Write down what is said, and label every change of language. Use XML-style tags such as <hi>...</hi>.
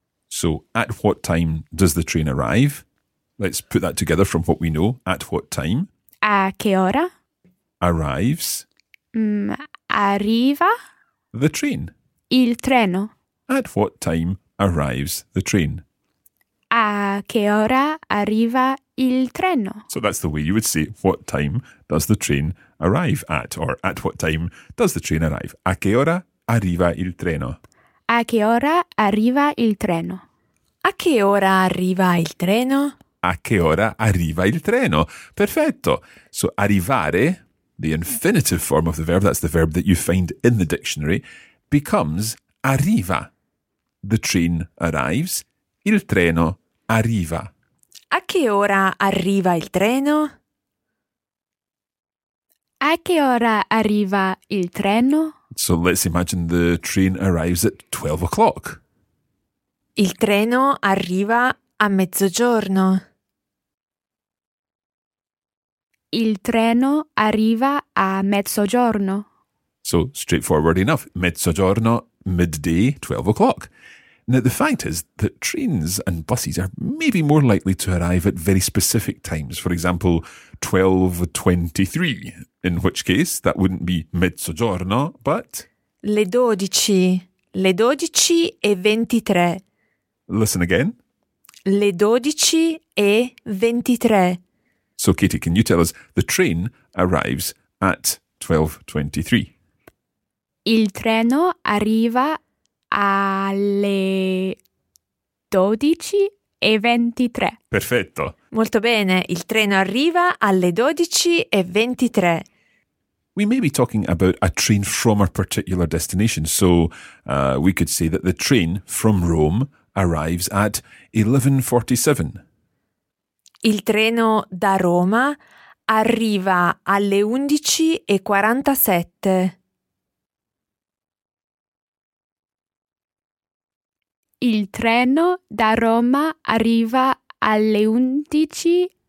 <en>So at what time does the train arrive? Let's put that together from what we know. At what time?</en> <it>A che ora?</it> <en>Arrives.</en> <it>Arriva.</it> <en>The train.</en> <it>Il treno.</it> <en>At what time arrives the train?</en> <it>A che ora arriva il treno?</it> <en>So that's the way you would say, what time does the train arrive at? Or at what time does the train arrive?</en> <it>A che ora arriva il treno? A che ora arriva il treno? A che ora arriva il treno? A che ora arriva il treno? Perfetto.</it> <en>So arrivare, the infinitive form of the verb, that's the verb that you find in the dictionary, becomes arriva. The train arrives. Il treno arriva.</en> <it>A che ora arriva il treno? A che ora arriva il treno?</it> <en>So let's imagine the train arrives at 12 o'clock.</en> <it>Il treno arriva a mezzogiorno. Il treno arriva a mezzogiorno.</it> <en>So straightforward enough. Mezzogiorno, midday, 12 o'clock. Now, the fact is that trains and buses are maybe more likely to arrive at very specific times. For example, 12:23, in which case that wouldn't be mezzogiorno, but...</en> <it>Le 12 e 23.</it> <en>Listen again.</en> <it>Le 12 e 23.</it> <en>So, Katie, can you tell us the train arrives at 12:23?</en> <it>Il treno arriva alle 12:23. Perfetto. Molto bene. Il treno arriva alle 12:23.</it> <en>We may be talking about a train from a particular destination. So we could say that the train from Rome arrives at 11:47.</en> <it>Il treno da Roma arriva alle 11:47. Il treno da Roma arriva alle 11:47.</it>